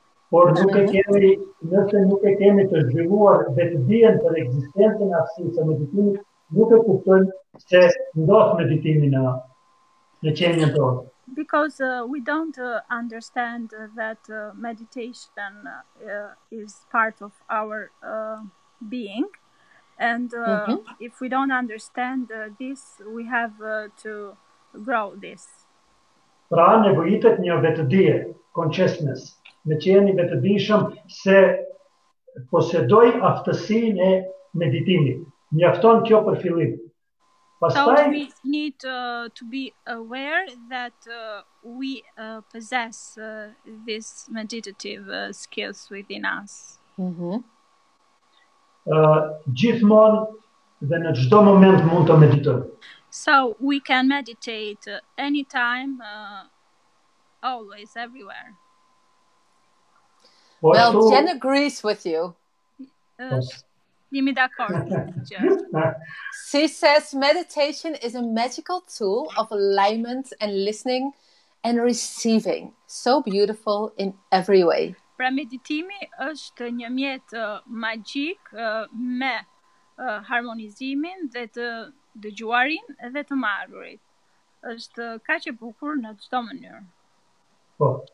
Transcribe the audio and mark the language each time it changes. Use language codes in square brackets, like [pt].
[sq] Por nëse nuk e kemi të zhvilluar vetëdijen për ekzistencën e arsyes së meditimit, nuk e kuptojmë se ndodh meditimi në qenien tonë. [en] Because we don't understand that meditation is part of our being, and if we don't understand this, we have to grow this. [sq] Pra nevojitet një vetëdije, [en] consciousness, [sq] me qeni vetëdijshëm se posedoj aftësinë e meditimit. Mjafton kjo për fillim. Pastaj [en] we need to be aware that we possess this meditative skills within us. [sq] Gjithmonë dhe në çdo moment mund të meditojmë. [en] So we can meditate anytime, always, everywhere. Well, Jen agrees with you. [sq] Jimmy d'accord. [en] She says meditation is a magical tool of alignment and listening and receiving. So beautiful in every way. [sq] Pra meditimi është një mjet magjik me harmonizimin dhe të dëgjuarin dhe të marrurit. Është kaq e bukur në çdo mënyrë. Po.